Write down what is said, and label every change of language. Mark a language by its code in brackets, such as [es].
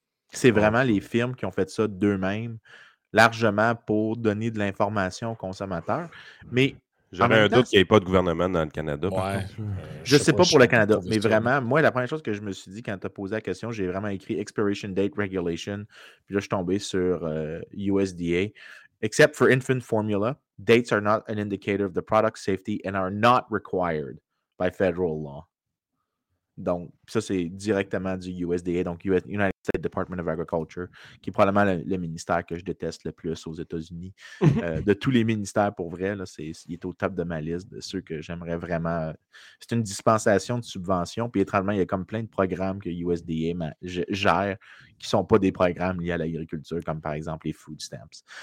[fr] C'est vraiment les firmes qui ont fait ça d'eux-mêmes, largement pour donner de l'information aux consommateurs. Mais j'aurais un doute qu'il n'y ait pas de gouvernement dans le Canada. Ouais. Par contre. Je ne sais pas pour le Canada, mais vraiment, moi, la première chose que je me suis dit quand tu as posé la question, j'ai vraiment écrit Expiration Date Regulation. Puis là, je suis tombé sur USDA. [en] Except for infant formula, dates are not an indicator of the product safety and are not required by federal law. [fr] Donc, ça, c'est directement du USDA, donc United States Department of Agriculture, qui est probablement le ministère que je déteste le plus aux États-Unis. De tous les ministères, pour vrai, là, il est au top de ma liste de ceux que j'aimerais vraiment... C'est une dispensation de subvention, puis étrangement, il y a comme plein de programmes que USDA gère qui ne sont pas des programmes liés à l'agriculture, comme par exemple les food stamps.